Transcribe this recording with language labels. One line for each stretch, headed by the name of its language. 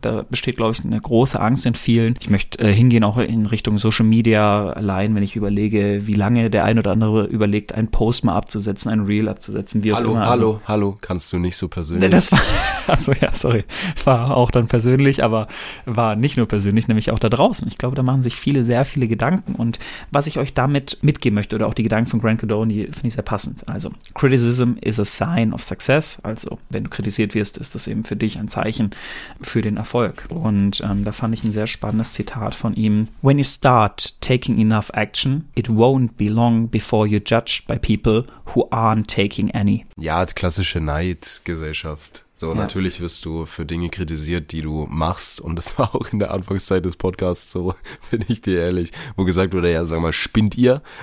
German: Da besteht, glaube ich, eine große Angst in vielen. Ich möchte hingehen auch in Richtung Social Media allein, wenn ich überlege, wie lange der ein oder andere überlegt, einen Post mal abzusetzen, ein Reel abzusetzen. Wie auch hallo, immer. Hallo, also, hallo, kannst du nicht so persönlich? Das war, achso, ja, sorry, war auch dann persönlich, aber war nicht nur persönlich, nämlich auch da draußen. Ich glaube, da machen sich viele sehr viele Gedanken, und was ich euch damit mitgeben möchte oder auch die Gedanken von Grant Cardone, die finde ich sehr passend.
English: Also, Criticism is a sign of success.
German: Also, wenn du kritisiert wirst, ist das eben für dich ein Zeichen für den Erfolg. Und da fand ich ein sehr spannendes Zitat von ihm.
English: When you start taking enough action, it won't be long before you're judged by people who aren't taking any.
German: Ja, die klassische Neidgesellschaft. So, ja. Natürlich wirst du für Dinge kritisiert, die du machst. Und das war auch in der Anfangszeit des Podcasts so, bin ich dir ehrlich, wo gesagt wurde, ja, sag mal, spinnt ihr?